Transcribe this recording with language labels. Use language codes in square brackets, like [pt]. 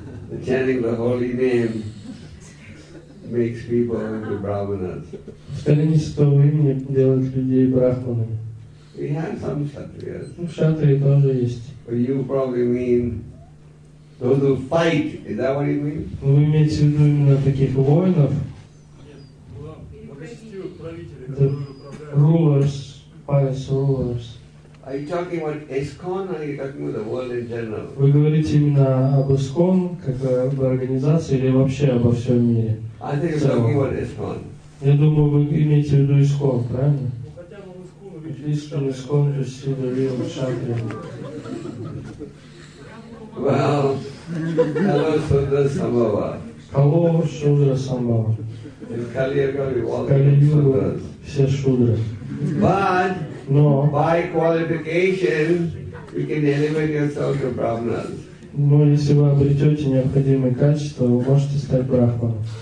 [en] The chanting the holy name makes people into brahmanas. [ru] Повторение святого имени делает людей брахманами. [en] We have some kshatriyas. [ru] Кшатрии тоже есть. [en] But you probably mean those who fight. Is that what you mean? [ru] Вы имеете в виду именно таких воинов? Нет, благочестивых правителей, которые управляют. [en] Rulers, pious rulers. Are you talking about ISKCON or are you talking about the world in general? [ru] Вы говорите именно об ISKCON как об организации или вообще обо всем мире? [en] I think you're talking about ISKCON. [ru] Я думаю, вы имеете в виду ISKCON, правильно? [en] Well, hello, [sa] Shudra Sambhava. [en] But by qualification, you can elevate yourself to Brahmanas. [ru] Но если вы обретете необходимые качества, вы можете стать брахманом.